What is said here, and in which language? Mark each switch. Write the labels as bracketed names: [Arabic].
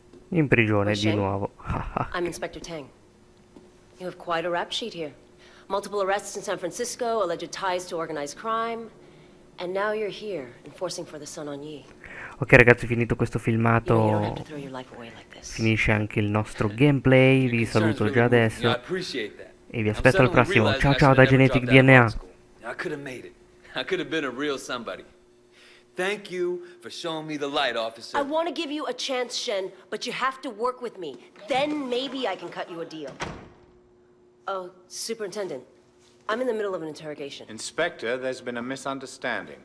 [Italian] In prigione di nuovo. [English] I'm Inspector Tang. You have quite a rap sheet here. Multiple arrests in San Francisco, alleged ties to organized crime, and now you're here enforcing for the Sun on Yi. [Italian] Ok ragazzi, finito questo filmato, finisce anche il nostro gameplay, vi saluto già adesso e vi aspetto al prossimo. Ciao ciao da Genetic DNA. [English] I could have made it. I could have been a real somebody. Thank you for showing me the light, officer. I want to give you a chance, Shen, but you have to work with me. Then maybe I can cut you a deal. Oh, superintendent. I'm in the middle of an interrogation. Inspector, there's been a misunderstanding.